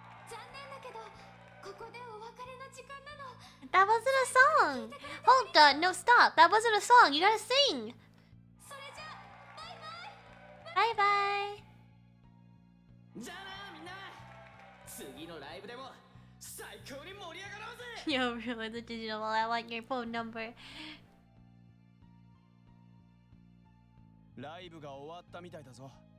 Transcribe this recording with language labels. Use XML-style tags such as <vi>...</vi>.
<ja>残念だけどここでお別れの時間なの。</ja> <en>That wasn't a song! Hold on, no stop! That wasn't a song! You gotta sing!</en> <ja>それじゃ、バイバイ! バイバイ! じゃあな、みんな! 次のライブでも最高に盛り上がろうぜ!</ja> <en>Yo, really, the digital wall, I want your phone number.</en> <ja>ライブが終わったみたいだぞ。</ja>